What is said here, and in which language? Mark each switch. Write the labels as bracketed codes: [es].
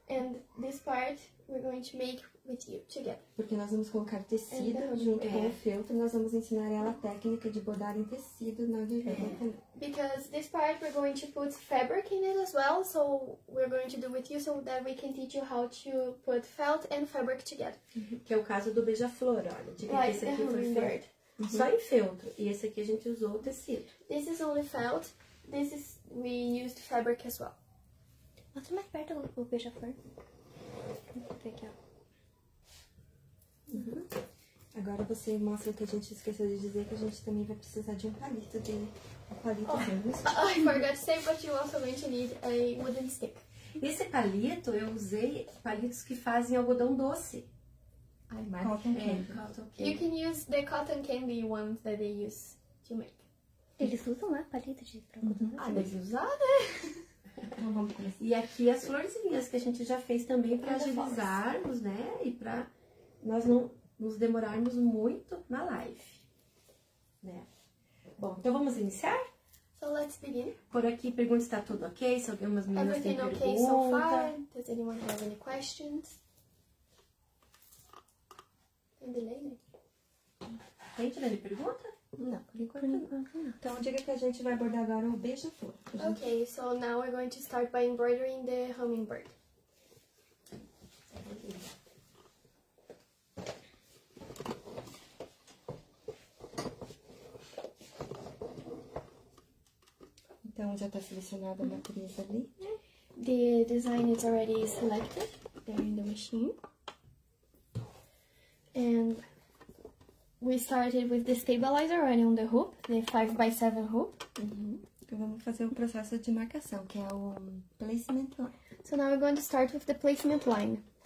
[en] And this part we're going to make with you together. [pt] Porque nós vamos colocar tecido junto com o feltro, nós vamos ensinar ela a técnica de bordar em tecido na virilha também. [en] Because this part we're going to put fabric in it as well, so we're going to do with you so that we can teach you how to put felt and fabric together. [pt] Que é o caso do beija-flor, olha. Diga que esse aqui foi feito. Só em feltro. E esse aqui a gente usou o tecido. [en] This is only felt. This is, we used fabric as well. [pt] Mostra mais perto o beija-flor. Aqui, ó. Agora você mostra o que a gente esqueceu de dizer, que a gente também vai precisar de um palito de... Um palito de [en] I forgot to say, but you also going to need a wooden stick. [pt] Esse palito, eu usei palitos que fazem algodão doce. [en] Cotton candy. You can use the cotton candy ones that they use to make. [pt] Eles usam, né? Palito de algodão doce. Ah, deve usar, né? Então vamos começar. E aqui as florzinhas que a gente já fez também pra agilizarmos, né? E pra nós não nos demorarmos muito na live, né? Bom, então vamos iniciar? [en] So let's begin. [pt] Por aqui, pergunta se tá tudo ok, se algumas meninas têm pergunta. [en] Everything okay so far? Does anyone have any questions? [pt] Tem delay, né? Tem delay de pergunta? Não, por enquanto não. Então, diga que a gente vai bordar agora o beija-flor. [en] Ok, so now we're going to start by embroidering the hummingbird. [pt] Então, já está selecionada a matriz ali. [en] The design is already selected there in the machine. And... We started with the stabilizer right on the hoop, the 5x7 hoop. [pt] Então vamos fazer o processo de marcação, que é o placement line. [en] So now we're going to start with the placement line.